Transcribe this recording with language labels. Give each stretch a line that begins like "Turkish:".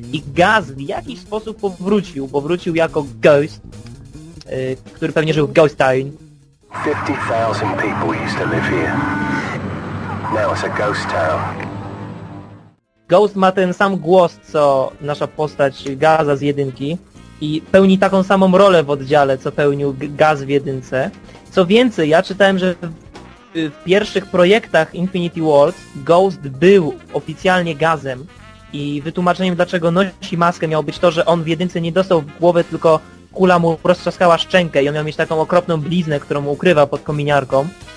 Polish: I Gaz w jakiś sposób powrócił. Powrócił jako Ghost, który pewnie żył w Ghost Town.
English: 50,000 people used to live here. Now it's a ghost town.
Polish: Ghost ma ten sam głos, co nasza postać Gaza z jedynki i pełni taką samą rolę w oddziale, co pełnił Gaz w jedynce. Co więcej, ja czytałem, że w pierwszych projektach Infinity Wars Ghost był oficjalnie Gazem i wytłumaczeniem, dlaczego nosi maskę, miało być to, że on w jedynce nie dostał w głowę, tylko kula mu roztrzaskała szczękę i on miał mieć taką okropną bliznę, którą ukrywa pod kominiarką.